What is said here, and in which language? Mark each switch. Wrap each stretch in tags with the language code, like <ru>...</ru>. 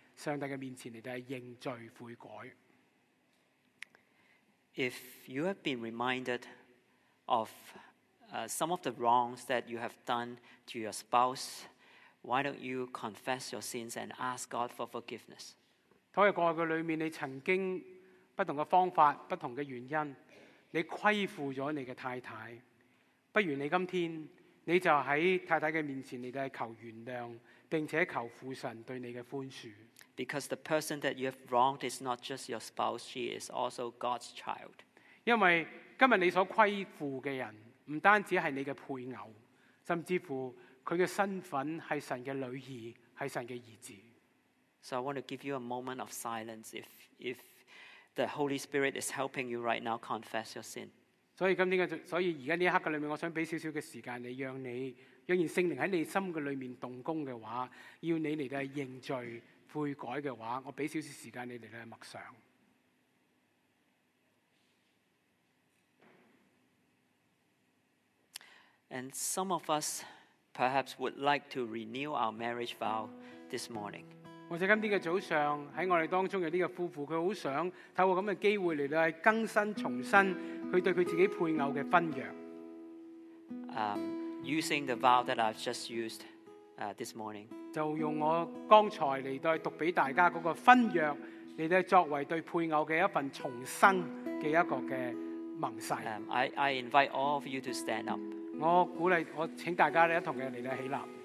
<zh>上帝的面前，你就是认罪悔改。</zh> <en>If you have been reminded of some of the wrongs that you have done to your spouse, why don't you confess your sins and ask God for forgiveness?</en> <zh>在过去里面，你曾经不同的方法、不同的原因，你亏负了你的太太，不如你今天你就在太太的面前你就求原谅并且求父神对你的宽恕</zh> <en>Because the person that you have wronged is not just your spouse, she is also God's child.</en> <zh>因为今天你所亏负的人不单只是你的配偶甚至乎他的身份是神的女儿是神的儿子</zh> <en>So I want to give you a moment of silence if the Holy Spirit is helping you right now, confess your sin.</en> <zh>所以现在这一刻里面我想给你一点点时间你让你若然圣灵在你心里面动工的话要你来认罪悔改的话我给你一点点时间你来默想</zh> <en>And some of us perhaps would like to renew our marriage vow this morning.</en> <zh>或者今天的早上在我们当中有这个夫妇他很想透过这样的机会来更新重新他对他自己配偶的婚约。</zh> <en>Using the vow that I've just used this morning.</en> <zh>就用我刚才来读给大家的婚约来作为对配偶的一份重新的一个的盟誓。</zh> <en>I invite all of you to stand up.</en> <zh>我鼓励我请大家一同嘅嚟到起立。</zh>